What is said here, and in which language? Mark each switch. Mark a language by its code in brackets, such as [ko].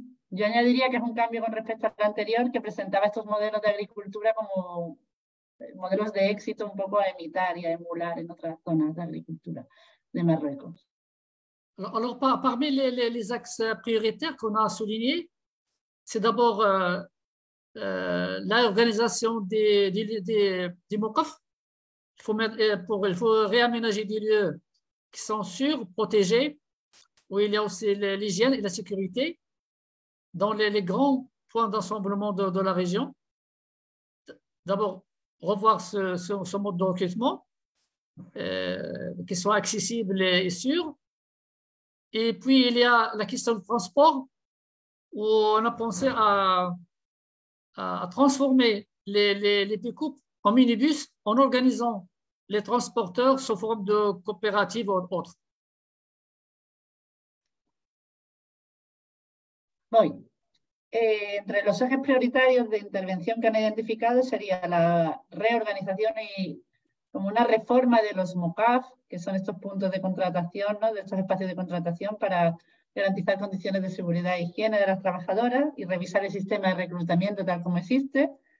[es] Yo añadiría que es un cambio con respecto al anterior, que presentaba estos modelos de agricultura como modelos de éxito un poco a imitar y a emular en otras zonas de agricultura de Marruecos. [fr] Alors, parmi les axes prioritaires qu'on a soulignés, c'est d'abord l'organisation des MOCOF. Il faut réaménager des lieux qui sont sûrs, protégés, où il y a aussi l'hygiène et la sécurité dans les grands points d'assemblement de la région. D'abord, revoir ce mode de recrutement, qui soit accessible et sûr. Et puis, il y a la question du transport, où on a pensé à transformer les pick-ups en minibus en organisant les transporteurs sous forme de coopératives ou autres. Oui. [es] Entre los ejes prioritarios de intervención que han identificado sería la reorganización y como una reforma de los MOCAF, que son estos puntos de contratación, ¿no? De estos espacios de contratación para garantizar condiciones de seguridad e higiene de las trabajadoras y revisar el sistema de reclutamiento tal como existe.